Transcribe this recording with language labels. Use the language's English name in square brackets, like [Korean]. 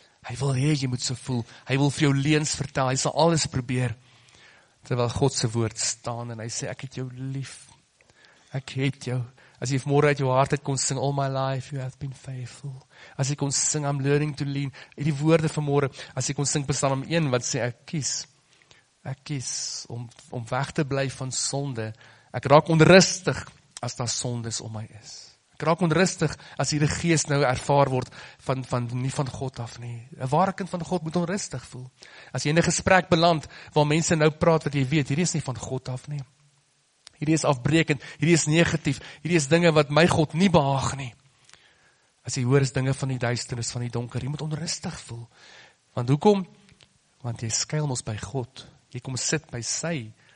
[Afrikaans] Hy wil hê, jy moet so voel, hy wil vir jou leens vertel, hy sal alles probeer, terwyl God se woord staan, en hy sê, ek het jou lief, ek het jou, as jy vanmorgen uit jou hart het kon sing, [English] all my life you have been faithful, [Afrikaans] as jy kon sing, [English] I'm learning to lean, [Afrikaans] en die woorde vanmorgen, as jy kon sing, bestaan om een, wat sê, ek kies, om weg te bly van sonde, ek raak onrustig, as daar sondes om my is. Ek raak onrustig as hierdie gees nou ervaar word van nie van God af nie. 'N Ware kind van God moet onrustig voel. As jy in 'n gesprek beland waar mense nou praat wat jy weet, hierdie is nie van God af nie. Hierdie is afbrekend, hierdie is negatief, hierdie is dinge wat my God nie behaag nie. As jy hoor is dinge van die duisternis, van die donker, jy moet onrustig voel. Want hoekom? Want jy skuil mos by God. Jy kom sit by sy